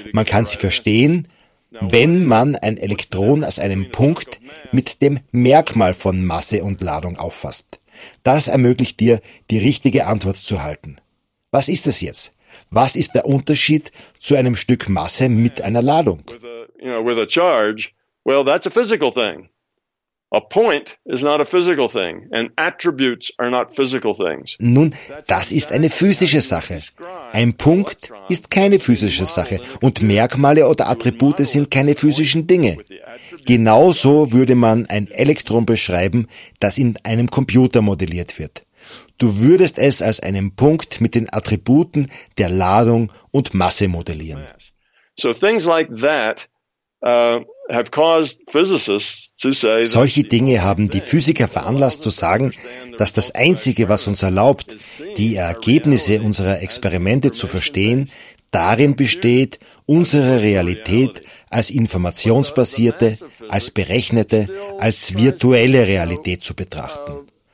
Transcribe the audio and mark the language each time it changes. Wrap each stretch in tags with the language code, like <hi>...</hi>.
<de>Man kann sie verstehen, wenn man ein Elektron als einen Punkt mit dem Merkmal von Masse und Ladung auffasst. Das ermöglicht dir, die richtige Antwort zu halten. Was ist es jetzt? Was ist der Unterschied zu einem Stück Masse mit einer Ladung?</de> <en>With a charge, Well, that's a physical thing. A point is not a physical thing, and attributes are not physical things.</en> <de>Nun, das ist eine physische Sache. Ein Punkt ist keine physische Sache, und Merkmale oder Attribute sind keine physischen Dinge. Genauso würde man ein Elektron beschreiben, das in einem Computer modelliert wird. Du würdest es als einen Punkt mit den Attributen der Ladung und Masse modellieren.</de> <en>So things like that have caused physicists to say,</en> <de>solche Dinge haben die Physiker veranlasst zu sagen, dass das Einzige, was uns erlaubt, die Ergebnisse unserer Experimente zu verstehen, darin besteht, unsere Realität als informationsbasierte, als berechnete, als virtuelle Realität zu betrachten.</de>